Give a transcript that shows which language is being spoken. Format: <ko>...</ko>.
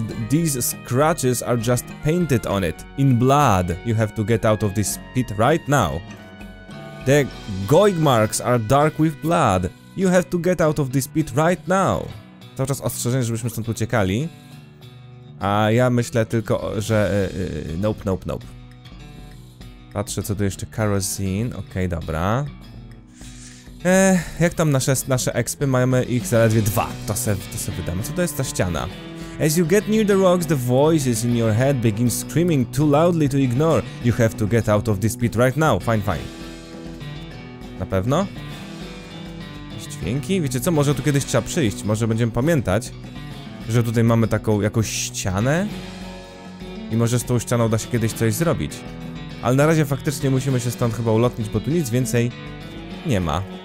<en>These scratches are just painted on it. In blood. You have to get out of this pit right now. The goig marks are dark with blood. You have to get out of this pit right now.</en> <pl>Cały czas ostrzeżenie, żebyśmy stąd uciekali. A ja myślę tylko, że... Nope. Patrzę, co tu jeszcze. Kerosene. Okej, dobra. Jak tam nasze expy? Mamy ich zaledwie dwa. To se wydamy. Co to jest ta ściana?</pl> <en>As you get near the rocks, the voices in your head begin screaming too loudly to ignore. You have to get out of this pit right now.</en> <pl>Fine. Na pewno? Jakieś dźwięki? Wiecie co? Może tu kiedyś trzeba przyjść. Może będziemy pamiętać, że tutaj mamy taką jakąś ścianę? I może z tą ścianą da się kiedyś coś zrobić. Ale na razie faktycznie musimy się stąd chyba ulotnić, bo tu nic więcej nie ma.</pl>